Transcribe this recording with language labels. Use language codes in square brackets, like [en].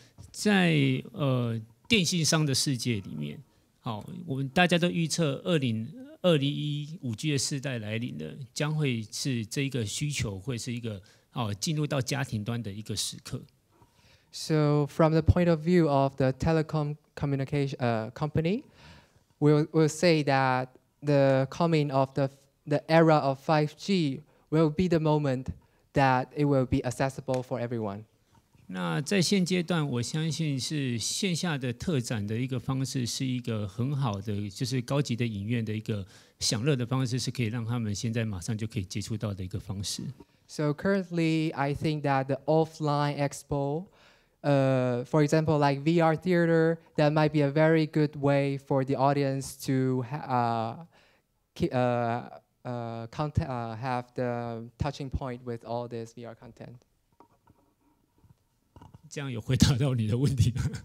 [zh] 在电信商的世界里面，好，我们大家都预测2021 5G 的世代来临了，将会是这一个需求会是一个进入到家庭端的一个时刻。 [en] So from the point of view of the telecom communication company, we'll say that the coming of the era of 5G will be the moment that it will be accessible for everyone. [zh] 那在现阶段，我相信是线下的特展的一个方式，是一个很好的，就是高级的影院的一个享乐的方式，是可以让他们现在马上就可以接触到的一个方式。 [en] So currently, I think that the offline expo, for example, like VR theater, that might be a very good way for the audience to have the touching point with all this VR content. [zh] 这样有回答到你的问题吗？